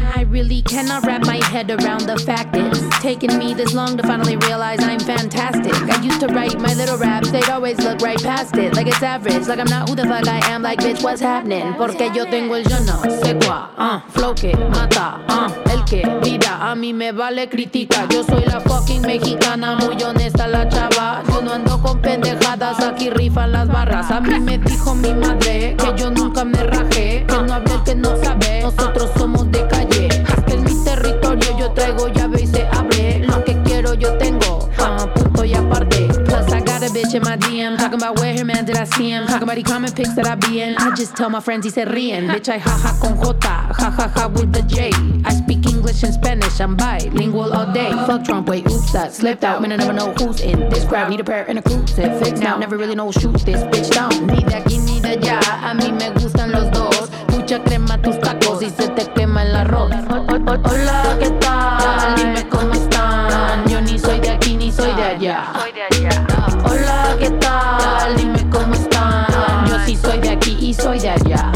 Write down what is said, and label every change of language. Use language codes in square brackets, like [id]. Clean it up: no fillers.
[en] Really cannot wrap my head around the fact it's taken me this long to finally realize I'm fantastic. I used to write my little raps, they'd always look right past it. Like it's average, like I'm not who the fuck I am. Like bitch, what's happening? [es] Porque yo tengo el yo no sé cuá, flow que mata, el que vida. A mí me vale crítica, yo soy la fucking mexicana. Muy honesta la chava, yo no ando con pendejadas. Aquí rifan las barras. A mí me dijo mi madre que yo nunca me rajé. Que no hable el que no sabe, nosotros somos de calle. Yo traigo llave y se abre. Lo que quiero yo tengo, punto y aparte. [en] Plus I got a bitch in my DM, talking about where her man did I see him. Talking about the comment pics that I be in. I just tell my friends [es] y se ríen. [en] Bitch I ha ha con J, ha ha ha with the J. I speak English and Spanish, I'm bilingual all day. Fuck Trump, wait, oops, I slipped out. Man, I never know who's in this crowd. Need a prayer and a crucifix now. Never really know who shoots this bitch down. [es] Ni de aquí ni de allá, a mí me gustan los dos. Mucha crema tus tacos y se te quema el arroz. Hola, ¿qué tal? Dime cómo están. Yo ni soy de aquí ni soy de allá. Hola, ¿qué tal? Dime cómo están. Yo sí soy de aquí y soy de allá.